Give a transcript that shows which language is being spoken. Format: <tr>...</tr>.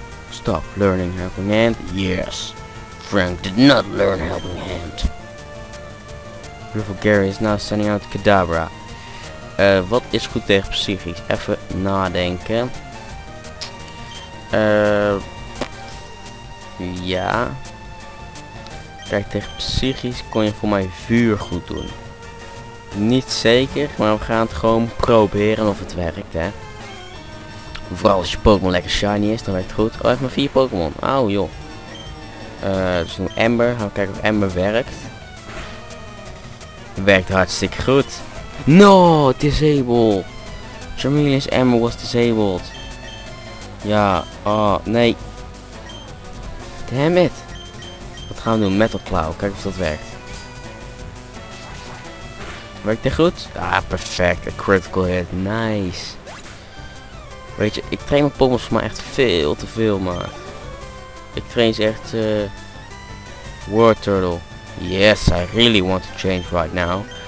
<en>Stop learning helping hand. Yes. Frank did not learn helping hand. Beautiful Gary is now sending out Kadabra.</en> <nl>Wat is goed tegen psychisch? Even nadenken. Ja. Kijk, tegen psychisch kon je voor mij vuur goed doen. Niet zeker, maar we gaan het gewoon proberen of het werkt, hè. Vooral als je Pokémon lekker shiny is, dan werkt het goed. Oh, even maar 4 Pokémon. Auw, joh. Dus doen we Ember. Gaan we kijken of Ember werkt. Werkt hartstikke goed.</nl> <en>No, disabled. Charmeleon's Ember was disabled.</en> <nl>Ja, oh, nee.</nl> <en>Damn it.</en> <nl>Wat gaan we doen? Metal Claw. Kijk of dat werkt. Werkt dit goed?</nl> <en>Ah, perfect. A critical hit. Nice.</en> <nl>Weet je, ik train mijn Pokémon voor mij echt veel te veel, man. Ik train ze echt... War Turtle.</nl> <en>Yes, I really want to change right now.</en>